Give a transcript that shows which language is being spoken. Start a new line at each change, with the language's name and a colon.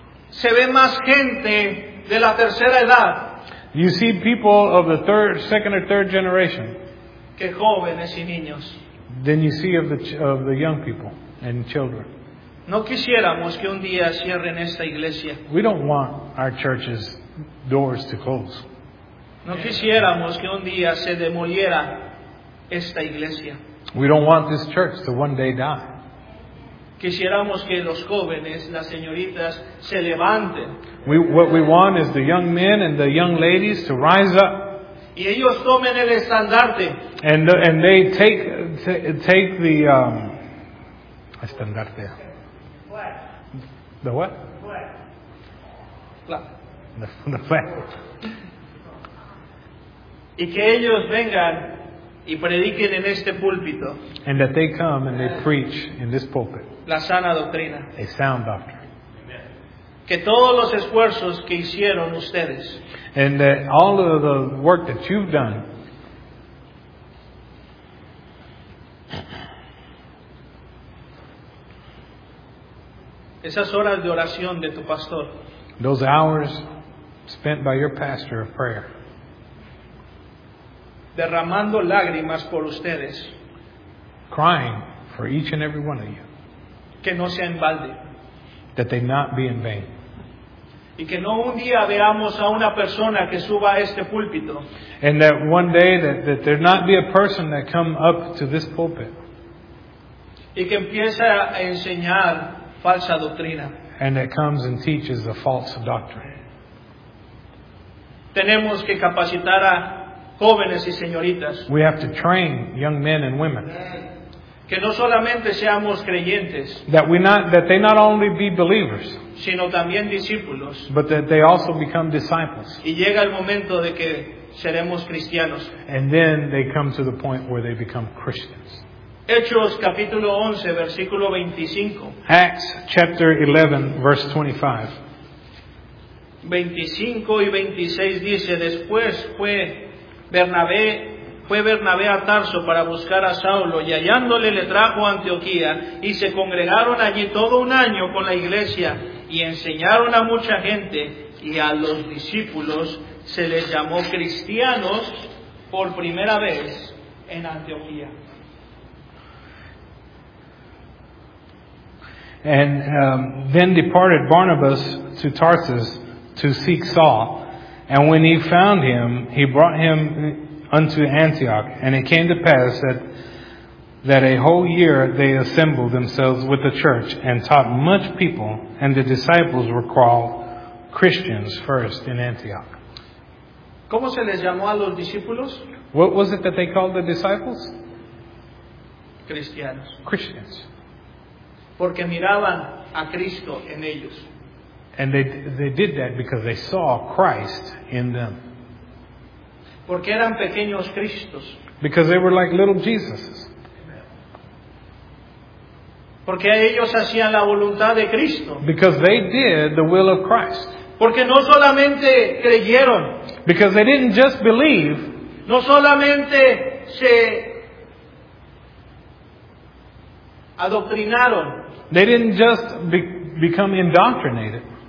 Spanish: se ve más gente de la tercera edad.
English: You see people of the third, second or third generation,
Spanish: que jóvenes y niños.
English: Then you see of the young people and children.
Spanish: No quisiéramos que un día cierren esta iglesia.
English: We don't want our church's doors to close.
Spanish: No quisiéramos que un día se demoliera esta iglesia.
English: We don't want this church to one day die.
Spanish: Quisiéramos que los jóvenes, las señoritas, se levanten.
English: What we want is the young men and the young ladies to rise up.
Spanish: Y ellos tomen el estandarte.
English: And they take the estandarte. The what? Flag. The flag.
Spanish: Y que ellos vengan y prediquen en este púlpito.
English: And that they come and they preach in this pulpit.
Spanish: La sana doctrina.
English: A sound doctrine.
Spanish: Que todos los esfuerzos que hicieron ustedes.
English: And that all of the work that you've done.
Spanish: Esas horas de oración de tu pastor.
English: Those hours spent by your pastor of prayer.
Spanish: Derramando lágrimas por ustedes.
English: Crying for each and every one of you.
Spanish: Que no sea en balde.
English: That they not be in vain.
Spanish: Y que no un día veamos a una persona que suba a este púlpito.
English: And that one day that there not be a person that come up to this pulpit.
Spanish: Y que empiece a enseñar falsa doctrina.
English: And it comes and teaches the false doctrine.
Spanish: Tenemos que capacitar a jóvenes y señoritas.
English: We have to train young men and women.
Spanish: Que no solamente seamos creyentes.
English: That they not only be believers.
Spanish: Sino también discípulos.
English: But that they also become disciples.
Spanish: Y llega el momento de que seremos cristianos.
English: And then they come to the point where they become Christians.
Spanish: Hechos capítulo 11, versículo 25.
English: Acts chapter 11, verse 25.
Spanish: 25 y 26 dice, después fue Bernabé a Tarso para buscar a Saulo, y hallándole le trajo a Antioquía, y se congregaron allí todo un año con la iglesia, y enseñaron a mucha gente, y a los discípulos se les llamó cristianos por primera vez en Antioquía.
English: And then departed Barnabas to Tarsus to seek Saul. And when he found him, he brought him unto Antioch. And it came to pass that a whole year they assembled themselves with the church and taught much people. And the disciples were called Christians first in Antioch.
Spanish: ¿Cómo se les llamó a los discípulos?
English: What was it that they called the disciples?
Spanish: Cristianos.
English: Christians.
Spanish: Porque miraban a Cristo en ellos.
English: And they did that because they saw Christ in them.
Spanish: Porque eran pequeños Cristos.
English: Because they were like little Jesuses.
Spanish: Porque ellos hacían la voluntad de Cristo.
English: Because they did the will of Christ.
Spanish: Porque no solamente creyeron.
English: Because they didn't just believe.
Spanish: No solamente se adoctrinaron.
English: They didn't just become indoctrinated.